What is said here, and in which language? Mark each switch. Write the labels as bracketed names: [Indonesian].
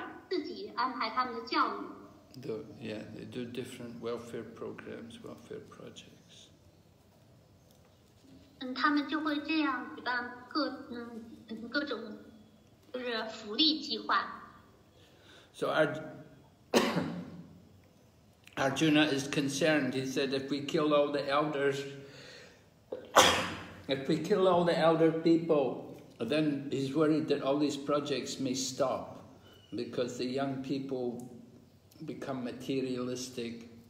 [Chinese] 就是这些中国人他们出了国之后呢，他们就是上学，就是自己安排他们的教育。 [English] Yeah, they do different welfare programs, welfare projects. [Chinese] 他们就会这样举办各种就是福利计划。So [English] Arjuna is concerned. He said, if we kill all the elders, if we kill all the elder people, then he's worried that all these projects may stop because the young people become materialistic.